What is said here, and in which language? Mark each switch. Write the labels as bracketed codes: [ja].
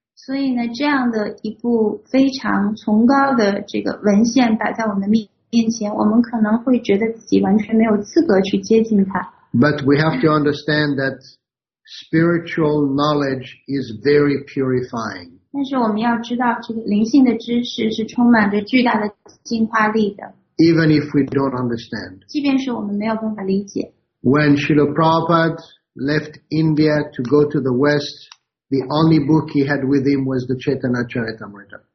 [zh] 所以呢，这样的一部非常崇高的这个文献摆在我们的面前，我们可能会觉得自己完全没有资格去接近它。 [en] But we have to understand that spiritual knowledge is very purifying. [zh] 但是我们要知道，这个灵性的知识是充满着巨大的净化力的。 [en] Even if we don't understand. [zh] 即便是我们没有办法理解。 [en] When Srila Prabhupada left India to go to the West, the only book he had with him was the Chaitanya Charitamrita.